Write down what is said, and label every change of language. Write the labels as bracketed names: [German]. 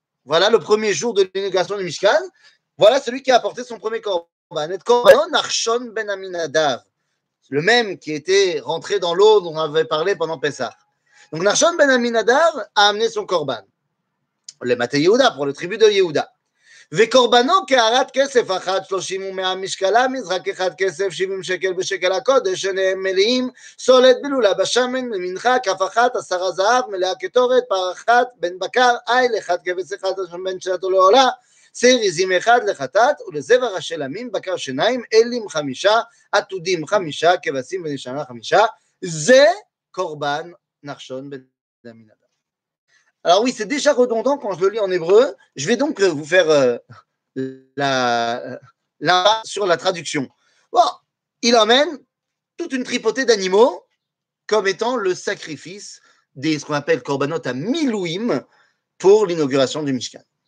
[French] Voilà le premier jour de l'inauguration du Mishkan. Voilà celui qui a apporté son premier korban. Et korban arshon ben aminadav. Le même qui était rentré dans l'eau dont on avait parlé pendant Pessah. Donc, arshon ben aminadav a amené son korban. Le maté Yehuda pour le tribut de Yehuda. [Hebrew] וקורבנו כערת כסף אחת שלושים ומאה משקלה, מזרק אחד כסף שבעים שקל בשקל הקודש, שניהם מלאים, סולת בלולה בשמן, למנחה, כף אחת, עשרה זהב, מלאה כתורת, פר אחת, בן בקר, איל אחד, כבש אחד, בן שנתו לעולה, שעיר עזים אחד לחטאת, ולזבר השלמים, בקר שניים, אלים חמישה, עתודים חמישה, כבשים ונשמה חמישה, זה קורבן נחשון בן אמינדב. [French] Alors oui, c'est déjà redondant quand je le lis en hébreu. Je vais donc vous faire sur la traduction. Bon, il emmène toute une tripotée d'animaux comme étant le sacrifice des ce qu'on appelle korbanot à milouim pour l'inauguration du Mishkan.